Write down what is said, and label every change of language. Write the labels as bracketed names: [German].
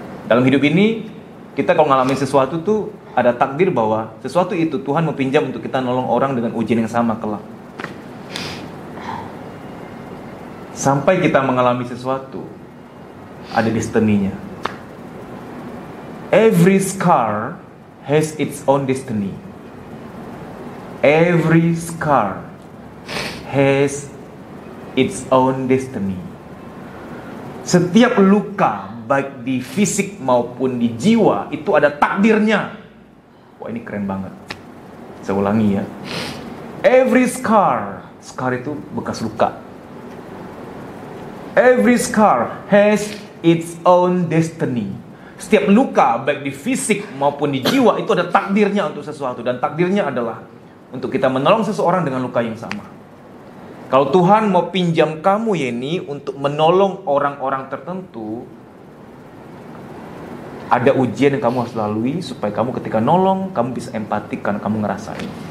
[Indonesian] Dalam hidup ini kita kalau ngalamin sesuatu tuh ada takdir bahwa sesuatu itu Tuhan meminjam untuk kita nolong orang dengan ujian yang sama kelak. Sampai kita mengalami sesuatu, ada destiny-nya. [English] Every scar has its own destiny. Every scar has its own destiny. [Indonesian] Setiap luka, baik di fisik maupun di jiwa, itu ada takdirnya. Wah, ini keren banget. Saya ulangi ya. [English] Every scar, [Indonesian] scar itu bekas luka. [English] Every scar has its own destiny. [Indonesian] Setiap luka, baik di fisik maupun di jiwa, itu ada takdirnya untuk sesuatu. Dan takdirnya adalah untuk kita menolong seseorang dengan luka yang sama. Kalau Tuhan mau pinjam kamu, Yeni, untuk menolong orang-orang tertentu, ada ujian yang kamu harus lalui supaya kamu ketika nolong, kamu bisa empatik karena kamu ngerasain.